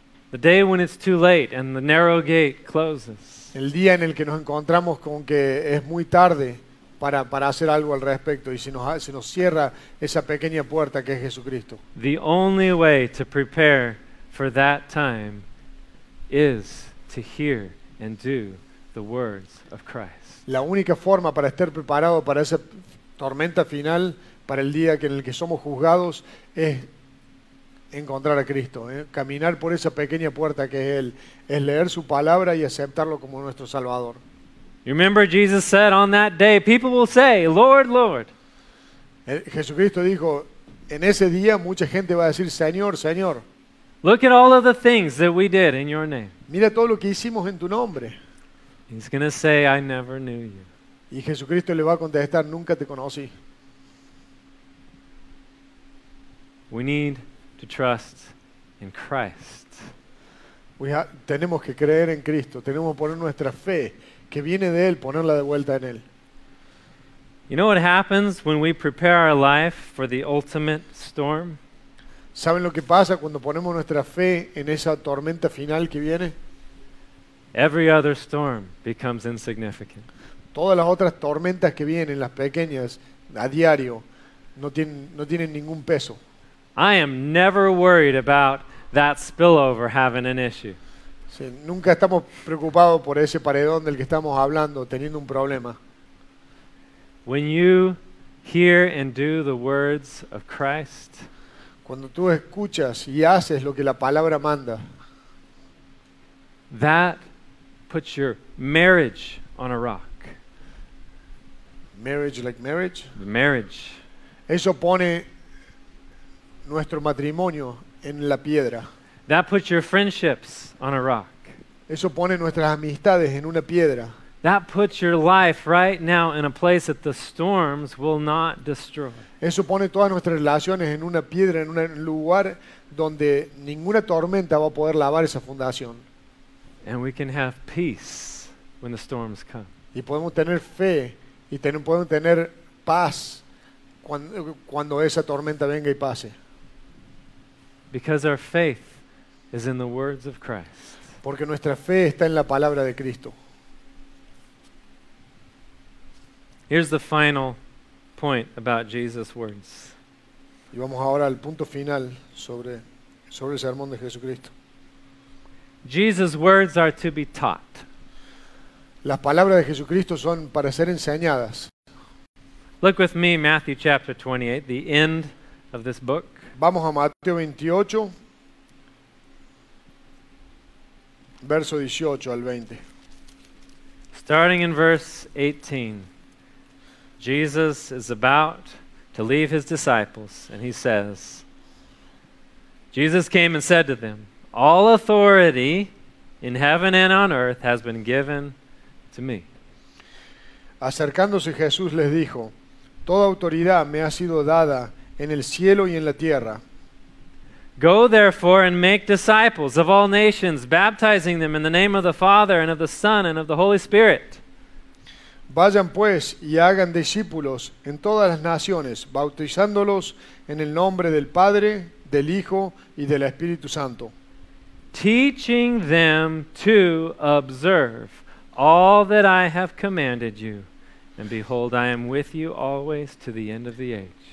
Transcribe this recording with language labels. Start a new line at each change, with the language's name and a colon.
English: The day when it's too late and the narrow gate closes.
Spanish: El día en el que nos encontramos con que es muy tarde para hacer algo al respecto y se nos cierra esa pequeña puerta que es Jesucristo.
English: The only way to prepare for that time is to hear and do the words of Christ.
Spanish: La única forma para estar preparado para esa tormenta final, para el día en el que somos juzgados, es encontrar a Cristo, caminar por esa pequeña puerta que es Él, es leer su palabra y aceptarlo como nuestro Salvador.
English: Remember, Jesus said, on that day, people will say, Lord, Lord.
Spanish: Jesucristo dijo, en ese día mucha gente va a decir, Señor, Señor.
English: Look at all of the things that we did in your name.
Spanish: Mira todo lo que hicimos en tu nombre.
English: He's going to say, I never knew you.
Spanish: Y Jesucristo le va a contestar, nunca te conocí.
English: We need to trust in Christ.
Spanish: Tenemos que creer en Cristo. Tenemos que poner nuestra fe que viene de Él, ponerla de vuelta en Él.
English: You know what happens when we prepare our life for the ultimate storm?
Spanish: ¿Saben lo que pasa cuando ponemos nuestra fe en esa tormenta final que viene?
English: Every other storm becomes insignificant.
Spanish: Todas las otras tormentas que vienen, las pequeñas, a diario, no tienen ningún peso.
English: I am never worried about that spillover having an issue.
Spanish: Sí, nunca estamos preocupados por ese paredón del que estamos hablando teniendo un problema.
English: When you hear and do the words of Christ,
Spanish: Cuando tú escuchas y haces lo que la palabra manda.
English: That puts your marriage on a rock. Marriage like marriage? Marriage.
Spanish: Eso pone nuestro matrimonio en la piedra.
English: That puts your friendships on a rock.
Spanish: Eso pone nuestras amistades en una piedra.
English: That puts your life right now in a place that the storms will not destroy.
Spanish: Eso pone todas nuestras relaciones en una piedra, en un lugar donde ninguna tormenta va a poder lavar esa fundación.
English: And we can have peace when the storms come.
Spanish: Y podemos tener fe y podemos tener paz cuando esa tormenta venga y pase.
English: Because our faith is in the words of Christ.
Spanish: Porque nuestra fe está en la palabra de Cristo.
English: Here's the final point about Jesus' words.
Spanish: Y vamos ahora al punto final sobre el sermón de Jesucristo.
English: Jesus' words are to be taught.
Spanish: Las palabras de Jesucristo son para ser enseñadas.
English: Look with me, Matthew chapter 28, the end of this book.
Spanish: Vamos a Mateo 28, verso 18 al 20.
English: Starting in verse 18. Jesus is about to leave his disciples, and he says, Jesus came and said to them, all authority in heaven and on earth has been given to me.
Spanish: Acercándose Jesús les dijo, toda autoridad me ha sido dada en el cielo y en la tierra.
English: Go therefore and make disciples of all nations, baptizing them in the name of the Father and of the Son and of the Holy Spirit.
Spanish: Vayan pues y hagan discípulos en todas las naciones, bautizándolos en el nombre del Padre, del Hijo y del Espíritu Santo.
English: Teaching them to observe all that I have commanded you, and behold, I am with you always to the end of the age.